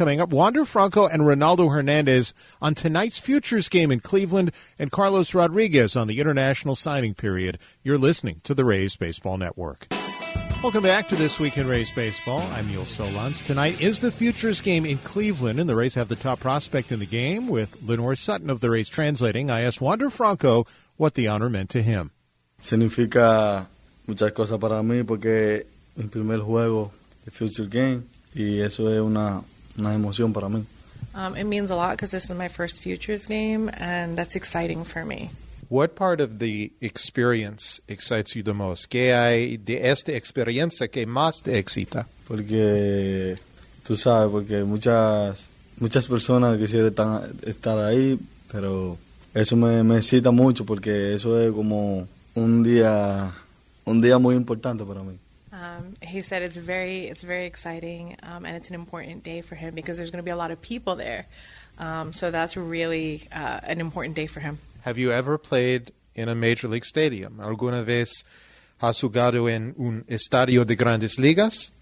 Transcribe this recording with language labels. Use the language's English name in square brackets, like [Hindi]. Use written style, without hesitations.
[English] Coming up, Wander Franco and Ronaldo Hernandez on tonight's Futures game in Cleveland, and Carlos Rodriguez on the international signing period. You're listening to the Rays Baseball Network. Welcome back to This Week in Rays Baseball. I'm Yul Solans. Tonight is the Futures game in Cleveland, and the Rays have the top prospect in the game with Lenore Sutton of the Rays translating. I asked Wander Franco what the honor meant to him. [Spanish] Significa muchas cosas para mí porque mi primer juego de Future Game y eso es una emoción para mí. [English] It means a lot because this is my first Futures game and that's exciting for me. What part of the experience excites you the most? [Spanish] ¿Qué hay de esta experiencia que más te excita? Porque tú sabes, porque muchas personas quisieran estar ahí, pero eso me excita mucho porque eso es como un día muy importante para mí. [English] He said it's very exciting, and it's an important day for him because there's going to be a lot of people there. So that's really an important day for him. Have you ever played in a major league stadium? [Spanish] ¿Alguna vez has jugado en un estadio de grandes ligas?